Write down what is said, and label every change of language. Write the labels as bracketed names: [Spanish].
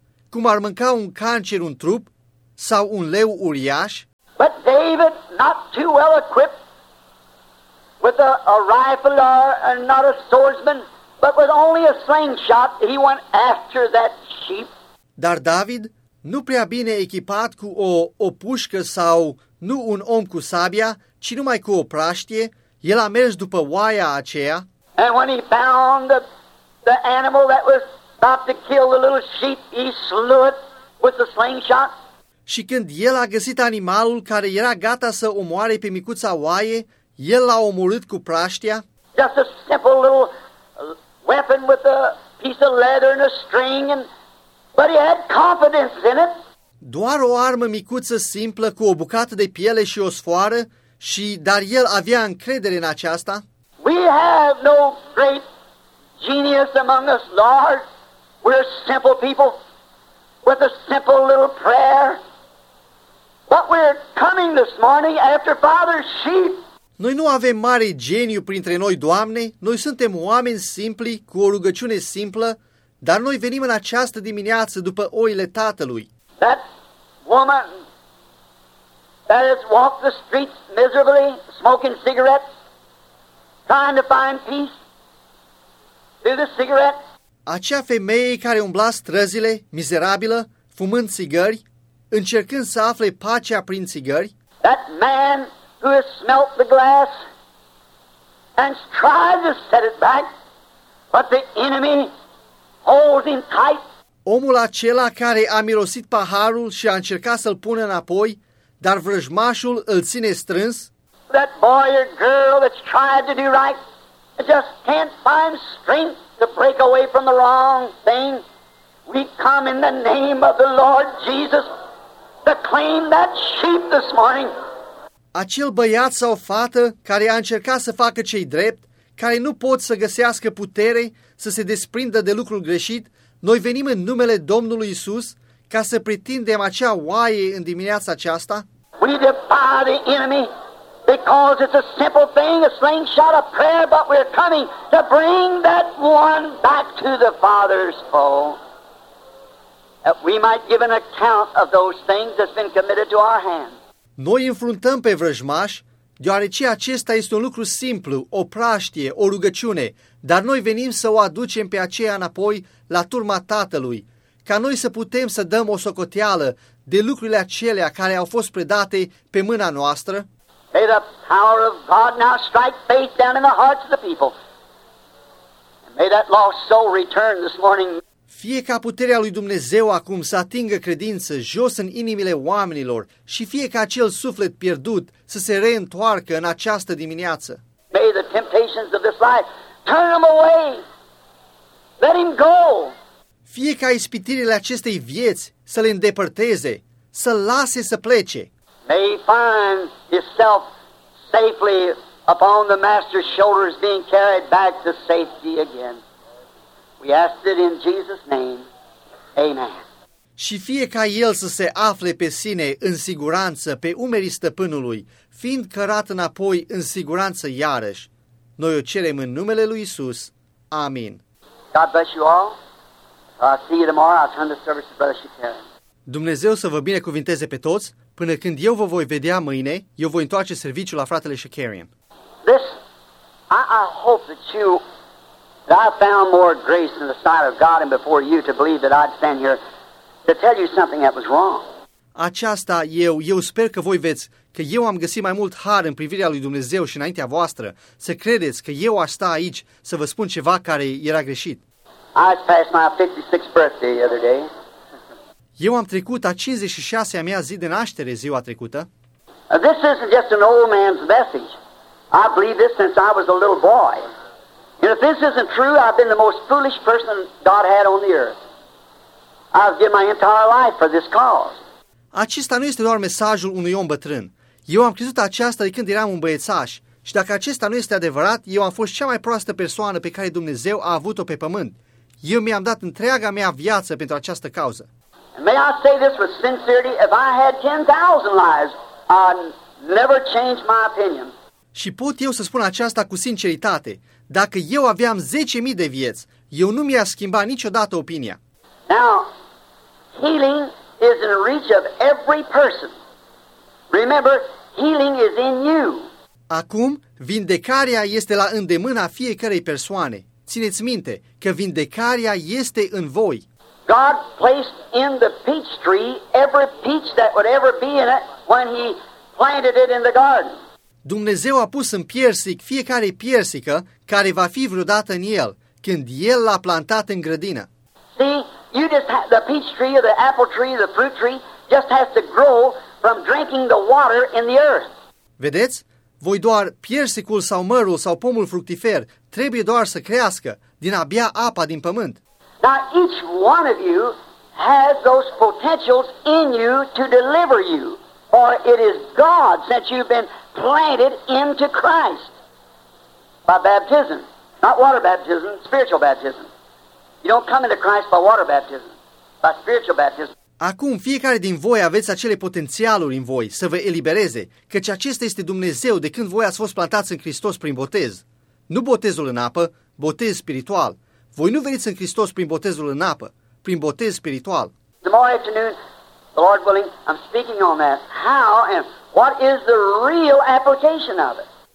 [Romanian] Cum ar mânca un cancer un trup sau un leu uriaș? [English] But David, not too well equipped with a rifle or not a swordsman, but with only a slingshot, he went after that sheep. [Romanian] Dar David, nu prea bine echipat cu o pușcă sau nu un om cu sabia, ci numai cu o praștie, el a mers după oaia aceea. [English] And when he found the animal that was about to kill the little sheep, he slew it with the slingshot. [Romanian] Și când el a găsit animalul care era gata să omoare pe micuța oaie, el l-a omorât cu praștia. [English] Just a simple little weapon with a piece of leather and a string, but he had confidence in it. [Romanian] Doar o armă micuță simplă cu o bucată de piele și o sfoară, dar el avea încredere în aceasta. [English] We have no great genius among us, Lord. We're simple people with a simple little prayer. But we're coming this morning after Father's sheep. [Romanian] Noi nu avem mare geniu printre noi, Doamne. Noi suntem oameni simpli, cu o rugăciune simplă, dar noi venim în această dimineață după oile Tatălui. [English] That woman that has walked the streets miserably, smoking cigarettes, trying to find peace through the cigarette. [Romanian] Acea femeie care umbla străzile, mizerabilă, fumând țigări, încercând să afle pacea prin țigări. [English] That man who has smelt the glass and tried to set it back, but the enemy holds him tight. [Romanian] Omul acela care a mirosit paharul și a încercat să-l pună înapoi, dar vrăjmașul îl ține strâns. [English] That boy or girl that's tried to do right and just can't find strength to break away from the wrong thing, we come in the name of the Lord Jesus to claim that sheep this morning. [Romanian] Acel băiat sau fată care a încercat să facă ce-i drept, care nu pot să găsească putere să se desprindă de lucrul greșit, noi venim în numele Domnului Iisus ca să pretindem acea oaie în dimineața aceasta. [English] We defy the enemy because it's a simple thing, a slingshot, a prayer, but we're coming to bring that one back to the Father's fold, that we might give an account of those things that's been committed to our hands. [Romanian] Noi înfruntăm pe vrăjmaș, deoarece acesta este un lucru simplu, o praștie, o rugăciune, dar noi venim să o aducem pe aceea înapoi la turma Tatălui, ca noi să putem să dăm o socoteală de lucrurile acelea care au fost predate pe mâna noastră. [English] May the power of God now strike faith down in the hearts of the people. May that lost soul return this morning. [Romanian] Fie ca puterea lui Dumnezeu acum să atingă credință jos în inimile oamenilor și fie ca acel suflet pierdut să se reîntoarcă în această dimineață. [English] May the temptations of this life turn him away. Let him go. [Romanian] Fie ca ispitirile acestei vieți să le îndepărteze, să lase să plece. [English] May he find himself safely upon the Master's shoulders being carried back to safety again. We ask it in Jesus' name. Amen. [Romanian] Și fie ca el să se afle pe sine în siguranță pe umerii stăpânului, fiind cărat înapoi în siguranță iarăși. Noi o cerem în numele lui Iisus. Amin. [English] God bless you all. I'll see you tomorrow. I'll turn the service to Brother Shikari. [Romanian] Dumnezeu să vă binecuvinteze pe toți. Până când eu vă voi vedea mâine, eu voi întoarce serviciul la fratele Shakarian. [English] This, I hope that you, that I found more grace in the sight of God and before you to believe that I'd stand here to tell you something that was wrong. [Romanian] Aceasta eu sper că voi veți, că eu am găsit mai mult har în privirea lui Dumnezeu și înaintea voastră, să credeți că eu aș sta aici să vă spun ceva care era greșit. [English] I passed my 56th birthday the other day. [Romanian] Eu am trecut a 56-a mea zi de naștere ziua trecută. [English] This isn't just an old man's message. I believe this since I was a little boy. And if this isn't true, I've been the most foolish person God had on the earth. I've given my entire life for this cause. [Romanian] Acesta nu este doar mesajul unui om bătrân. Eu am crezut aceasta de când eram un băiețaș. Și dacă acesta nu este adevărat, eu am fost cea mai proastă persoană pe care Dumnezeu a avut-o pe pământ. Eu mi-am dat întreaga mea viață pentru această cauză. [English] May I say this with sincerity? If I had 10,000 lives, I'd never change my opinion. [Romanian] Și pot eu să spun aceasta cu sinceritate. Dacă eu aveam 10.000 de vieți, eu nu mi-aș schimba niciodată opinia. [English] Now, healing is in reach of every person. Remember, healing is in you. [Romanian] Acum, vindecarea este la îndemâna fiecărei persoane. Țineți minte că vindecarea este în voi. [English] God placed in the peach tree every peach that would ever be in it when he planted it in the garden. [Romanian] Dumnezeu a pus în piersic fiecare piersică care va fi vreodată în el, când el l-a plantat în grădină. [English] See, you just have the peach tree or the apple tree, the fruit tree just has to grow from drinking the water in the earth. [Romanian] Vedeți? Voi doar piersicul sau mărul sau pomul fructifer trebuie doar să crească din a bea apa din pământ. [English] Now each one of you has those potentials in you to deliver you, for it is God that you've been planted into Christ by baptism, not water baptism, spiritual baptism. You don't come into Christ by water baptism, by spiritual baptism. [Romanian] Acum, fiecare din voi aveți acele potențialuri în voi să vă elibereze, căci acesta este Dumnezeu de când voi ați fost plantați în Hristos prin botez. Nu botezul în apă, botez spiritual. Voi nu veniți în Hristos prin botezul în apă, prin botez spiritual. [English] Tomorrow afternoon, the Lord willing, I'm speaking on that. How and what is the real application of it?